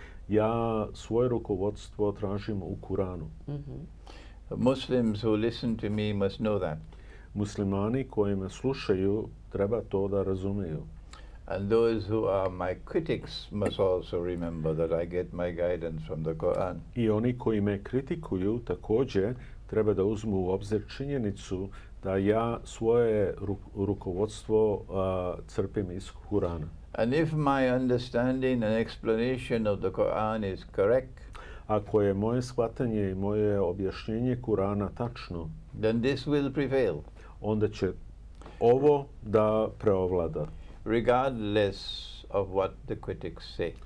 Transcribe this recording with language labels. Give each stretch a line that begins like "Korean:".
Serbian: Ja svoje rukovodstvo tražim u Kuranu. Mm-hmm.
English: Muslims who listen to me must know that.
Serbian: Muslimani koji me slušaju treba to da razumeju.
English: And those who are my critics must also remember that I get my guidance from the Quran.
Serbian: I oni koji me kritikuju takođe treba da uzmu u obzir činjenicu da ja svoje rukovodstvo crpim iz Kurana.
English: And if my understanding and explanation of the Quran is correct,
Serbian: ako je moje shvatanje i moje objašnjenje Kurana tačno,
English: then this will prevail.
Serbian: Onda će ovo da preovlada.
English: Regardless of what the critics say.